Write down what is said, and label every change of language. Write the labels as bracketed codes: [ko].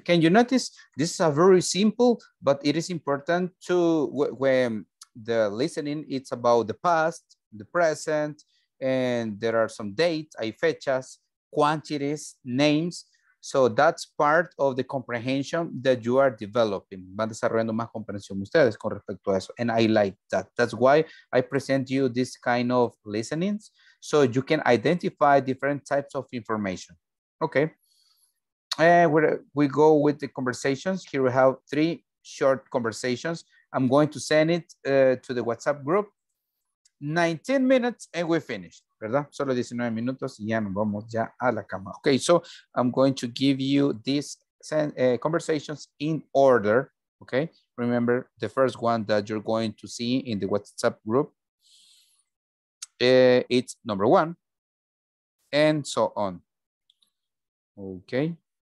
[en] Can you notice this is a very simple, but it is important to when the listening, it's about the past, the present, and there are some dates, [es] hay fechas, [en] quantities, names. So that's part of the comprehension that you are developing. [es] Van desarrollando más comprensión ustedes con respecto a eso. [en] And I like that. That's why I present you this kind of listenings so you can identify different types of information. Okay. And we go with the conversations. Here we have 3 short conversations. I'm going to send it to the WhatsApp group. 19 minutes and we finished. ¿Verdad? [es] Solo 19 minutos y ya nos vamos ya a la cama. [en] Okay, so I'm going to give you these conversations in order. Okay, remember the first one that you're going to see in the WhatsApp group. It's number 1 and so on. Okay.